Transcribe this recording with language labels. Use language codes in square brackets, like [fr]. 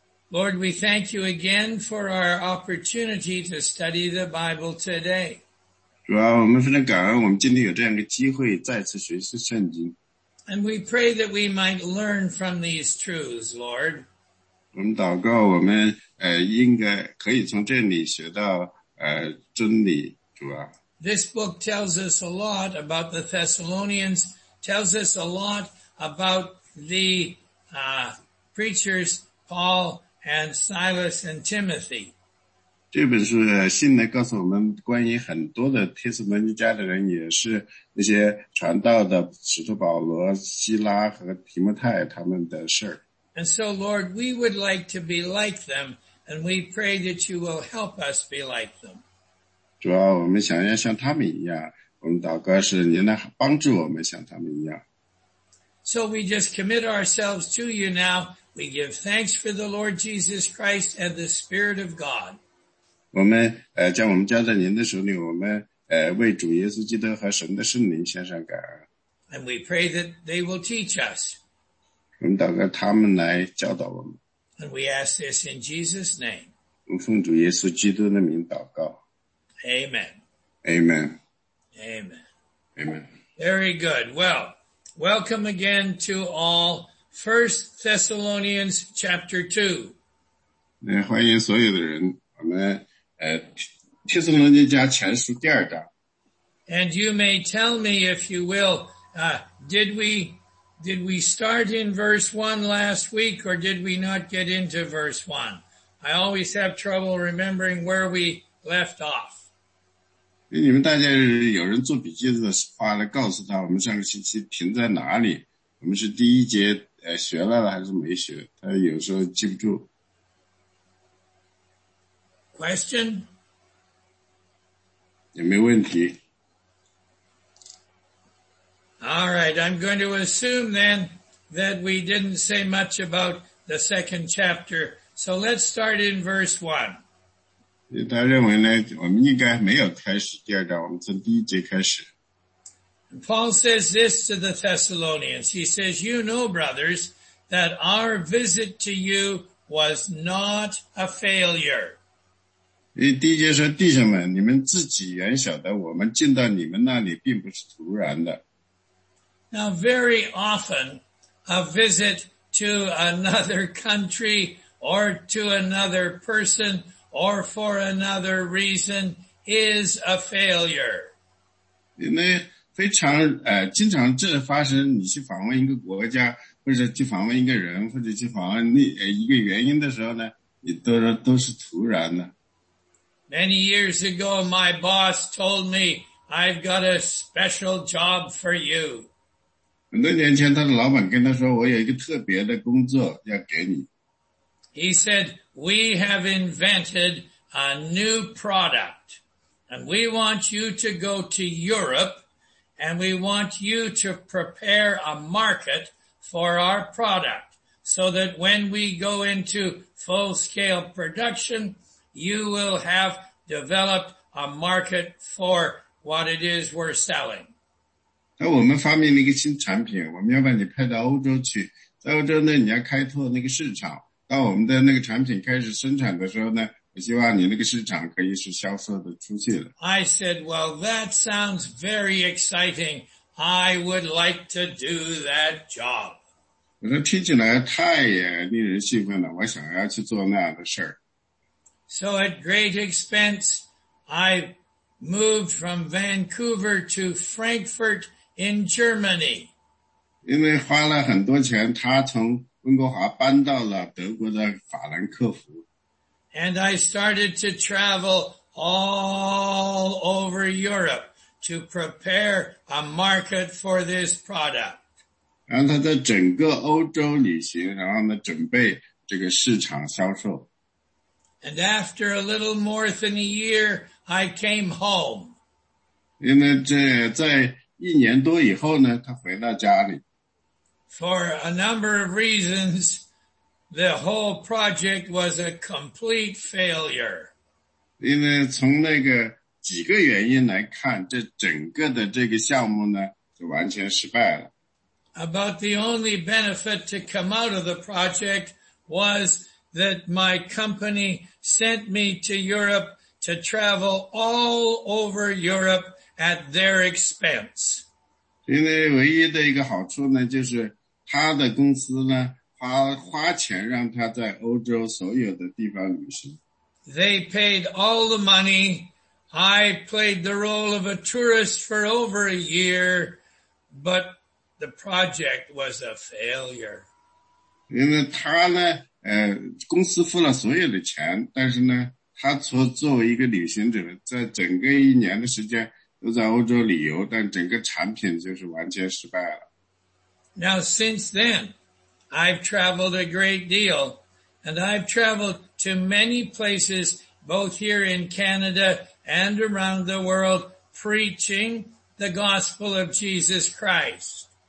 [en] Lord, we thank you again for our opportunity to study the Bible today. [zh] 主啊，我们非常感恩，我们今天有这样一个机会再次学习圣经。 [en] And we pray that we might learn from these truths, Lord. [zh] 我们祷告，我们应该可以从这里学到真理，主啊。 [en] This book tells us a lot about the Thessalonians, tells us a lot about the preachers Paul and Silas and Timothy. [zh] 这本书信呢告诉我们关于很多的帖撒罗尼迦的人，也是那些传道的使徒保罗、希拉和提摩太他们的事。 [en] And so, Lord, we would like to be like them, and we pray that you will help us be like them. [zh] 主要我们想要像他们一样，我们祷告是您来帮助我们像他们一样。 [en] So we just commit ourselves to you now. We give thanks for the Lord Jesus Christ and the Spirit of God. [zh] 我们将我们交在您的手里，我们为主耶稣基督和神的圣灵献上感恩。 [en] And we pray that they will teach us. [zh] 我们祷告他们来教导我们。 [en] And we ask this in Jesus' name. [zh] 我们奉主耶稣基督的名祷告。 [en] Amen. Amen. Amen. Amen. Very good. Well, welcome again to all. 1 Thessalonians chapter 2. [zh] 欢迎所有的人，我们帖撒罗尼迦前书第二章。 [en] And you may tell me if you will, did we start in verse 1 last week or did we not get into verse 1? I always have trouble remembering where we left off. [zh] 你们大家有人做笔记的话来告诉他我们上个星期停在哪里，我们是第一节学了还是没学，他有时候记不住。 [en] Question? [zh] 也没问题。 [en] All right, I'm going to assume then that we didn't say much about the second chapter, so let's start in verse 1. [zh] 他认为呢，我们应该没有开始第二章，我们从第一节开始。 [en] Paul says this to the Thessalonians. He says, you know, brothers, that our visit to you was not a failure. [zh] 第一节说，弟兄们，你们自己原晓得我们进到你们那里并不是突然的。 [en] Now, very often, a visit to another country or to another person or for another reason is a failure. [zh] 非常经常这发生，你去访问一个国家或者去访问一个人或者去访问一个原因的时候呢，你都是突然的。 [en] Many years ago, my boss told me, I've got a special job for you. [zh] 很多年前他的老板跟他说，我有一个特别的工作要给你。 [en] He said, we have invented a new product, and we want you to go to Europe,And we want you to prepare a market for our product so that when we go into full-scale production, you will have developed a market for what it is we're selling. [zh] 那我们发明了一个新产品，我们要把你派到欧洲去，在欧洲呢，你要开拓那个市场。当我们的那个产品开始生产的时候呢，我希望你那个市场可以是销售的出去了。 [en] I said, well, that sounds very exciting. I would like to do that job. [zh] 我说听起来太令人兴奋了，我想要去做那样的事儿。 [en] So at great expense, I moved from Vancouver to Frankfurt in Germany. [zh] 因为花了很多钱，他从温哥华搬到了德国的法兰克福。 [en] And I started to travel all over Europe to prepare a market for this product. [zh] 然后他在整个欧洲旅行，然后呢，准备这个市场销售。 [en] And after a little more than a year, I came home. [zh] 因为这在一年多以后呢，他回到家里。 [en] For a number of reasons,The whole project was a complete failure. [zh] 因为从那个几个原因来看，这整个的这个项目呢，就完全失败了。 [en] About the only benefit to come out of the project was that my company sent me to Europe to travel all over Europe at their expense. [zh] 因为唯一的一个好处呢，就是他的公司呢花钱让他在欧洲所有的地方旅行。 [en] They paid all the money. I played the role of a tourist for over a year, but the project was a failure. [zh] 因为他呢，公司付了所有的钱，但是呢，他所作为一个旅行者，在整个一年的时间。都在欧洲旅游，但整个产品就是完全失败了。 [en] Now, since then, I've traveled a great deal, and I've traveled to many places, both here in Canada and around the world, preaching the gospel of Jesus Christ.